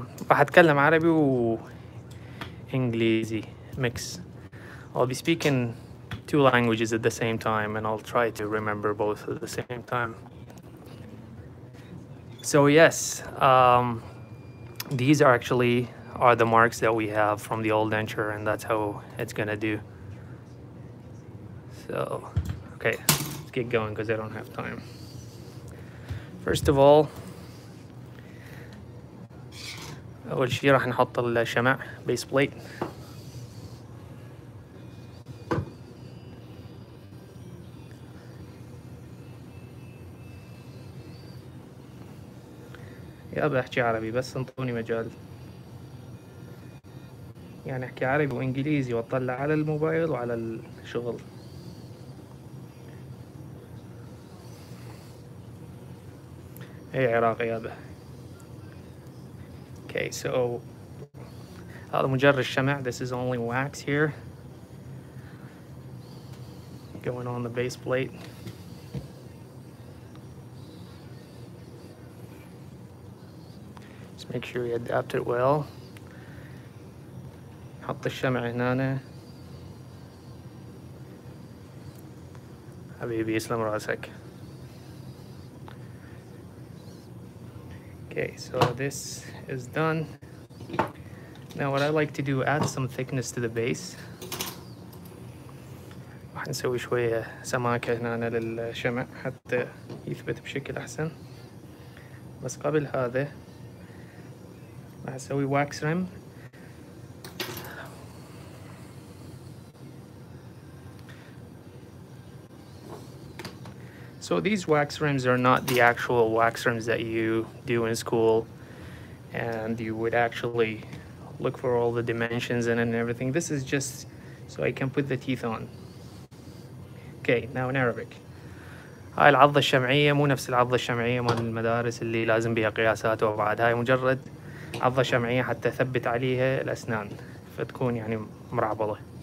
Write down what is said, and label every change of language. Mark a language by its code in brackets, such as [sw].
[ar] راح اتكلم عربي و انجليزي mix. [en] I'll be speaking two languages at the same time and I'll try to remember both at the same time. So yes, these are actually are the marks that we have from the old denture and that's how it's gonna do. So, okay, let's get going because I don't have time. First of all, [ar] أول شيء راح نحط الشمع [en] base plate. [ar] يا بحكي عربي بس انطوني مجال يعني احكي عربي وانجليزي واطلع على الموبايل وعلى الشغل. اي عراقي يابا. [en] Okay, so [ar] هذا مجرد الشمع. [en] This is only wax here going on the base plate. Just make sure you adapt it well. [ar] حط الشمع هنا. حبيبي يسلم راسك. [en] Okay, so this is done. Now what I like to do, add some thickness to the base. [ar] راح نسوي شوية سماكة هنا للشمع حتى يثبت بشكل أحسن. بس قبل هذا راح نسوي wax rim. [en] So these wax rims are not the actual wax rims that you do in school and you would actually look for all the dimensions in and everything. This is just so I can put the teeth on. Okay, now in Arabic. [ar] هاي العضة الشمعية مو نفس العضة الشمعية من المدارس اللي لازم بيها قياسات وبعد. هاي مجرد عضة شمعية حتى ثبت عليها الأسنان فتكون يعني مرعبلة.